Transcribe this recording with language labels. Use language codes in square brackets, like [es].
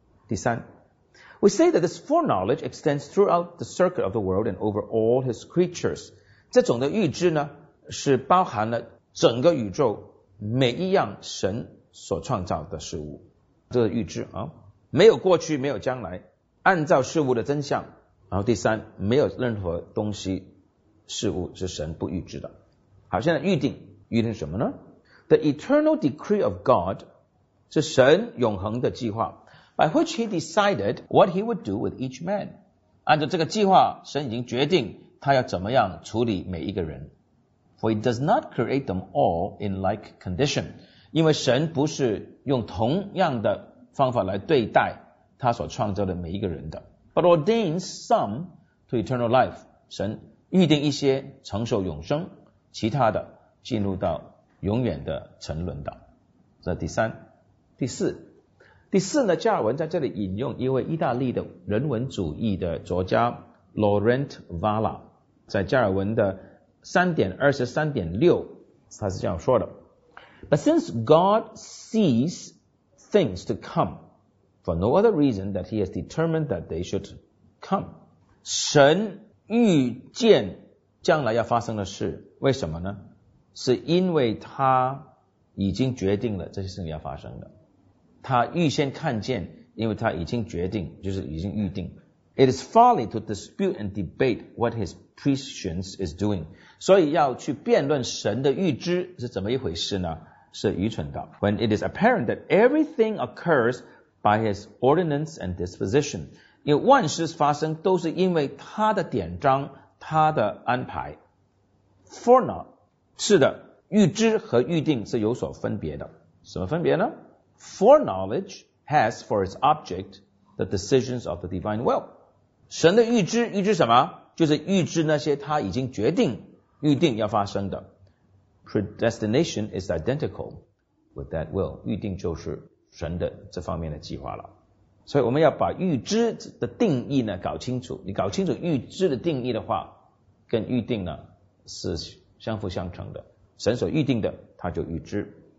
[zh] 第三， [en] We say that this foreknowledge extends throughout the circuit of the world and over all his creatures， [zh] 这种的预知呢是包含了整个宇宙每一样神所创造的事物，这是预知啊，没有过去，没有将来，按照事物的真相。然后第三，没有任何东西事物是神不预知的。好，现在预定，预定什么呢？ [en] The eternal decree of God [zh] 是神永恒的计划， [en] by which he decided what he would do with each man， [zh] 按照这个计划，神已经决定他要怎么样处理每一个人。 [en] For he does not create them all in like condition， [zh] 因为神不是用同样的方法来对待他所创造的每一个人的。 [en] But ordains some to eternal life， [zh] 神预定一些承受永生，其他的进入到永远的沉沦岛。这第三。第四，第四呢，加尔文在这里引用一位意大利的人文主义的作家 Laurent Valla， 在加尔文的 3.23.6 他是这样说的， [en] But since God sees things to come for no other reason that he has determined that they should come， [zh] 神预见将来要发生的事，为什么呢？是因为他已经决定了这些事情要发生的，他预先看见，因为他已经决定，就是已经预定。 [en] It is folly to dispute and debate what his prescience is doing， [zh] 所以要去辩论神的预知是怎么一回事呢，是愚蠢的。 [en] When it is apparent that everything occurs by his ordinance and disposition， [zh] 因为万事发生都是因为他的典章，他的安排。 [en] For not， [zh] 是的，预知和预定是有所分别的。什么分别呢？ [en] Foreknowledge has for its object the decisions of the divine will， [zh] 神的预知，预知什么？就是预知那些他已经决定预定要发生的。 [en] Predestination is identical with that will， [zh] 预定就是神的这方面的计划了。所以我们要把预知的定义呢搞清楚，你搞清楚预知的定义的话，跟预定呢是相辅相成的，神所预定的他就预知。